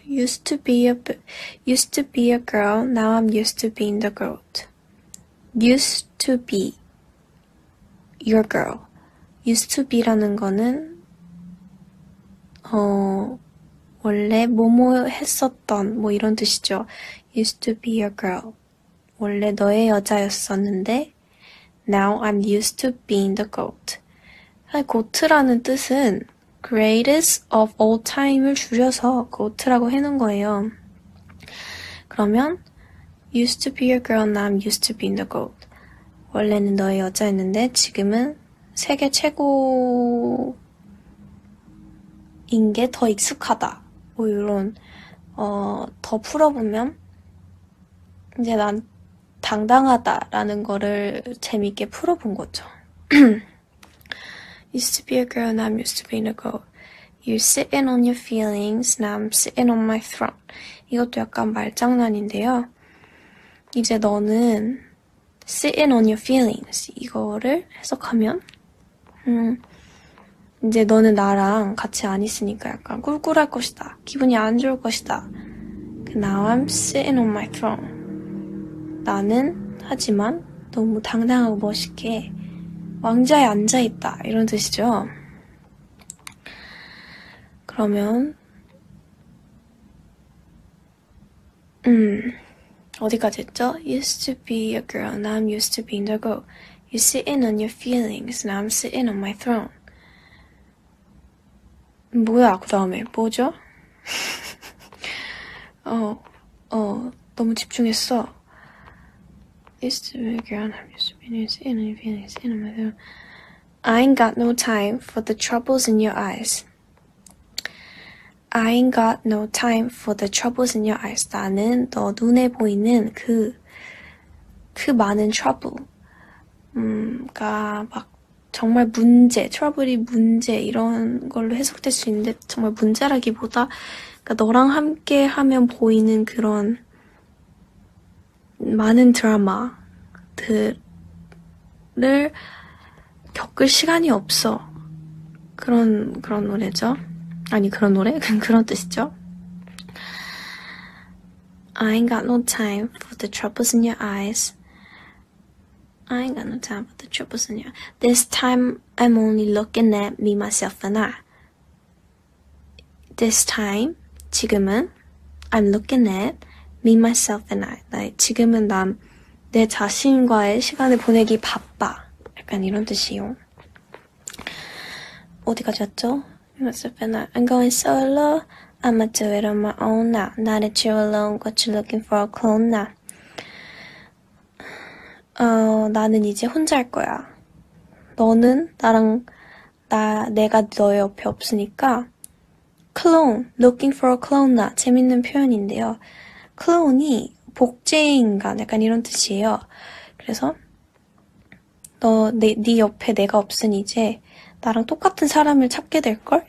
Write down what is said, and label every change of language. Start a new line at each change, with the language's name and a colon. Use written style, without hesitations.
English: Used to be a girl, now I'm used to being the goat. Used to be your girl.
Korean: Used to be라는 거는 원래 뭐뭐 했었던 뭐 이런 뜻이죠.
English: Used to be a girl.
Korean: 원래 너의 여자였었는데
English: now I'm used to being the goat.
Korean: 고트라는 뜻은
English: greatest of all time
Korean: 을 줄여서 goat라고 해놓은 거예요.
English: 그러면 used to be a girl, now I'm used to being the goat.
Korean: 원래는 너의 여자였는데 지금은 세계 최고인 게더 익숙하다. 뭐 이런 더 풀어보면 이제 난 당당하다라는 거를 재밌게 풀어본 거죠.
English: Used to be a girl, now I'm used to being a goat. You're sitting on your feelings, now I'm sitting on my throne.
Korean: 이것도 약간 말장난인데요. 이제 너는
English: sitting on your feelings
Korean: 이거를 해석하면 이제 너는 나랑 같이 안 있으니까 약간 꿀꿀할 것이다. 기분이 안 좋을 것이다.
English: Now I'm sitting on my throne.
Korean: 나는 하지만 너무 당당하고 멋있게 왕좌에 앉아있다. 이런 뜻이죠. 그러면, 어디까지 했죠?
English: Used to be a girl, now I'm used to being the goat. You're sitting on your feelings, now I'm sitting on my throne.
Korean: 뭐야, 그 다음에. 뭐죠? 너무 집중했어.
English: Used to be a girl, now I'm used to sitting on your feelings, sitting on my throne. I ain't got no time for the troubles in your eyes. I ain't got no time for the troubles in your eyes.
Korean: 나는 너 눈에 보이는 그 많은 trouble. 그니까, 막, 정말 문제, trouble이 문제, 이런 걸로 해석될 수 있는데, 정말 문제라기보다, 그니까, 너랑 함께 하면 보이는 그런, 많은 드라마들을 겪을 시간이 없어. 그런 노래죠. 아니, 그런 노래? 그런 뜻이죠.
English: I ain't got no time for the troubles in your eyes. I ain't got no time for the troubles in your eyes. This time, I'm only looking at me, myself, and I. This time,
Korean: 지금은,
English: I'm looking at me, myself, and I.
Korean: 지금은 난내 자신과의 시간을 보내기 바빠. 약간 이런 뜻이요. 어디까지 왔죠?
English: Myself and I'm going solo. I'ma do it on my own now. Now that you're alone, what you looking for a clone now?
Korean: 나는 이제 혼자 할 거야. 너는 나랑 내가 너 옆에 없으니까 clone,
English: looking for a clone now.
Korean: 재밌는 표현인데요. clone이 복제인간 약간 이런 뜻이에요. 그래서 네 옆에 내가 없으니 이제 나랑 똑같은 사람을 찾게 될 걸?